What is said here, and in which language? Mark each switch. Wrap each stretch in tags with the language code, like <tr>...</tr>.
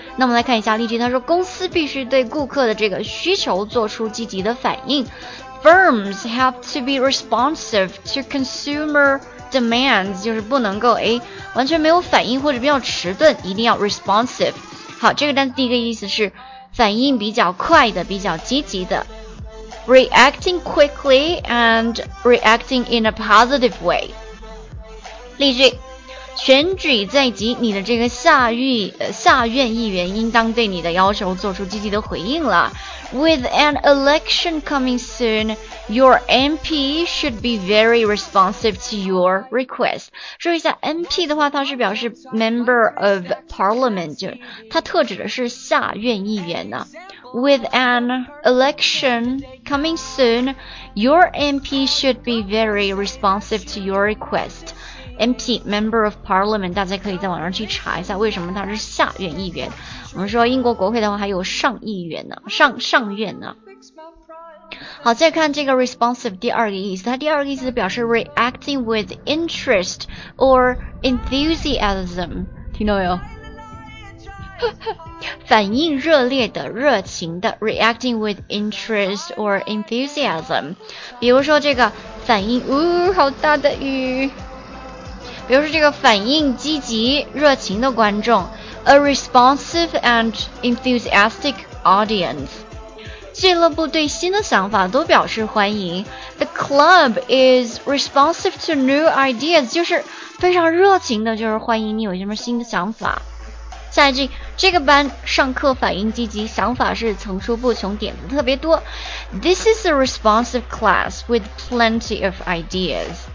<zh>那我们来看一下例句，它说公司必须对顾客的这个需求做出积极的反应。 Firms have to be responsive to consumer demands, 就是不能够完全没有反应或者比较迟钝，一定要 responsive。好，这个单词第一个意思是反应比较快的，比较积极的。</zh> <en>Reacting quickly and reacting in a positive way. 例句，</en> <zh>选举在即，你的这个下院议员应当对你的要求做出积极的回应了。</zh> <en>With an election coming soon, your MP should be very responsive to your request.</en> <zh>说一下 MP 的话，它是表示 Member of Parliament， 就是它特指的是下院议员呢。</zh> <en>With an election coming soon, your MP should be very responsive to your request.</en> <zh>MP, Member of Parliament, 大家可以在网上去查一下为什么他是下院议员。我们说英国国会的话还有上议员呢，上院呢。好，再看这个 responsive 第二个意思，它第二个意思表示 reacting with interest or enthusiasm，听到没有？</zh> <en>反应热烈的，热情的， reacting with interest or enthusiasm。</en> <zh>比如说这个反应，好大的雨，比如说这个反应积极热情的观众， a responsive and enthusiastic audience。俱乐部对新的想法都表示欢迎， the club is responsive to new ideas，就是非常热情的，就是欢迎你有什么新的想法。下一句，这个班上课反应积极，想法是层出不穷，点子特别多。</zh> <en>This is a responsive class with plenty of ideas.</en>